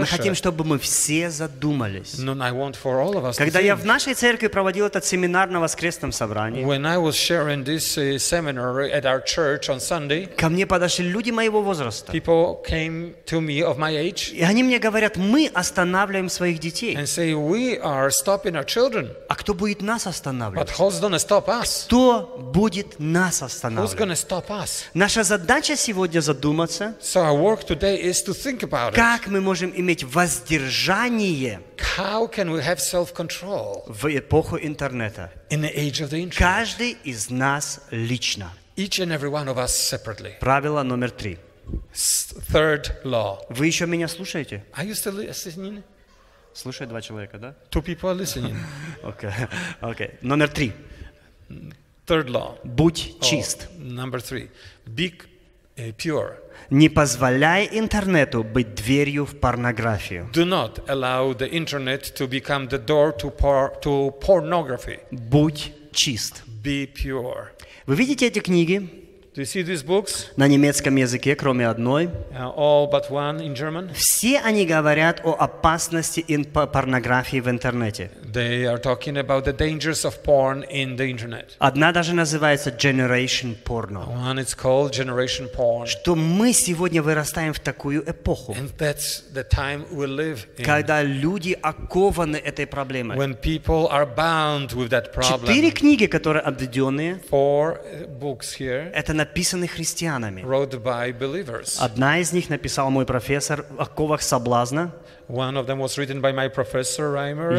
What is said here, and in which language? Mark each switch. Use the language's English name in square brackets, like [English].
[Russian] Мы хотим, чтобы мы все задумались. [English] No, I want for all of us [Russian] когда [English] to [Russian] я [English] think. [Russian] В нашей церкви проводил этот семинар на воскресном собрании, [English] when I was sharing this, seminar at our church on Sunday, [Russian] ко мне подошли люди моего возраста. [English] People came to me of my age, [Russian] и они мне говорят, мы останавливаем своих детей. [English] And say, we are stopping our children. [Russian] А кто будет нас останавливать? [English] But who's gonna stop us? [Russian] Кто будет нас останавливать? [English] Who's gonna stop us? [Russian] Наша задача сегодня задуматься, [English] so our work today is to think about it. [Russian] Как мы можем иметь воздержание, [English] how can we have self-control? [Russian] В эпоху интернета. [English] In the age of the internet. [Russian] Каждый из нас лично. [English] Each and every one of us separately. [Russian] Правило номер три. [English] Third law. [Russian] Вы еще меня слушаете? [English] Are you still listening? [Russian] Слушают два человека, да? [English] Two people are listening. Okay. Okay. [Russian] Номер три. [English] Third law. [Russian] Будь чист. [English] Number three. Be pure. [Russian] Не позволяй интернету быть дверью в порнографию. [English] Do not allow the internet to become the door to pornography. [Russian] Будь чист. [English] Be pure. [Russian] Вы видите эти книги? [English] Do you see these books? [Russian] На немецком языке, кроме одной. [English] All but one in German. [Russian] Все они говорят о опасности порнографии в интернете. [English] They are talking about the dangers of porn in the internet. [Russian] Одна даже называется Generation Porno. [English] One is called Generation Porn. [Russian] Что мы сегодня вырастаем в такую эпоху. [English] And that's the time we live in. [Russian] Когда люди окованы этой проблемой. [English] When people are bound with that problem. [Russian] Четыре книги, которые обведенные. [English] Four books here. [Russian] Это написаны христианами. [English] Wrote by believers. [Russian] Одна из них написал мой профессор в оковах соблазна. [English] One of them was written by my professor Reimer.